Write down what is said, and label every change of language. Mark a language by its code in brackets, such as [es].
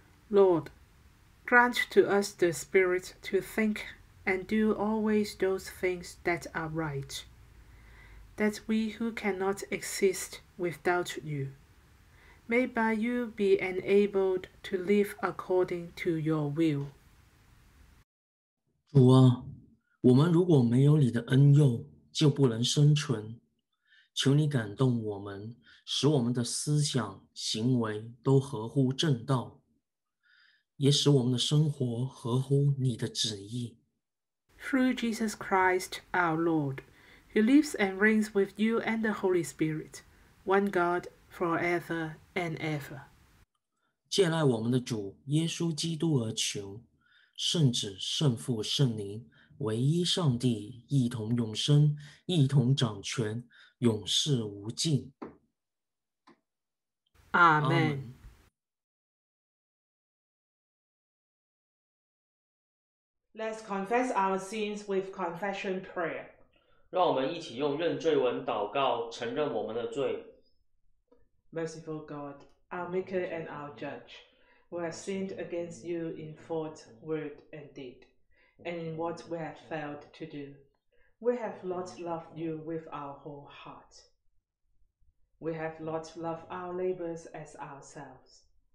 [en] Lord, grant to us the Spirit to think and do always those things that are right, that we who cannot exist without you may by you be enabled to live according to your will. [zh] 主啊，我们如果没有你的恩佑，就不能生存。求你感动我们，使我们的思想、行为都合乎正道，也使我们的生活合乎你的旨意。 [en] Through Jesus Christ, our Lord, who lives and reigns with you and the Holy Spirit, one God, forever and ever. [zh] 借赖我们的主耶稣基督而求，圣子、圣父、圣灵，唯一上帝，一同永生，一同掌权，永世无尽。 [en] Amen. Let's confess our sins with confession prayer. [zh] 让我们一起用认罪文祷告，承认我们的罪。 [en] Merciful God, our Maker and our Judge, we have sinned against you in thought, word, and deed, and in what we have failed to do. We have not loved you with our whole heart. We have not loved our neighbors as ourselves.